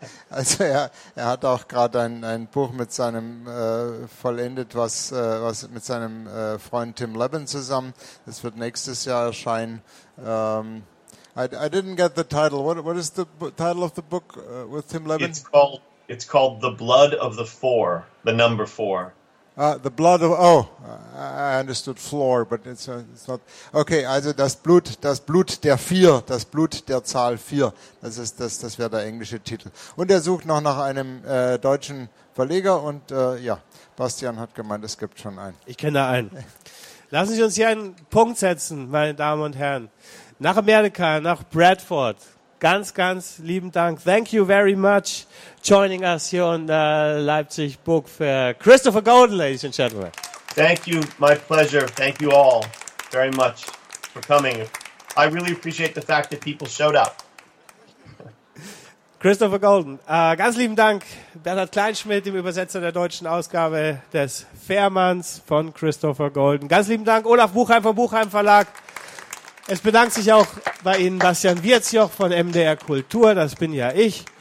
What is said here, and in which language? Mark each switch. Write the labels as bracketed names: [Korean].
[German] Also er hat auch gerade ein Buch mit seinem vollendet, was mit seinem Freund Tim Levin zusammen. Das wird nächstes Jahr erscheinen. [English] I didn't get the title. What is the title of the book with Tim Levin? It's called The Blood of the Four, the number four. The Blood of, oh, I understood floor, but it's not. [German] Okay, also das Blut der Vier, das Blut der Zahl Vier, das wäre der englische Titel. Und er sucht noch nach einem deutschen Verleger und ja, Bastian hat gemeint, es gibt schon einen. Ich kenne einen. Lassen Sie uns hier einen Punkt setzen, meine Damen und Herren. Nach Amerika, nach Bradford. Ganz, ganz lieben Dank. [English] Thank you very much joining us here on Leipzig Book Fair. Christopher Golden, ladies and gentlemen. Thank you. My pleasure. Thank you all very much for coming. I really appreciate the fact that people showed up. [German] Christopher Golden, ganz lieben Dank. Bernhard Kleinschmidt, dem Übersetzer der deutschen Ausgabe des Fährmanns von Christopher Golden. Ganz lieben Dank, Olaf Buchheim vom Buchheim Verlag. Es bedankt sich auch bei Ihnen Bastian Wirzjoch von MDR Kultur, das bin ja ich.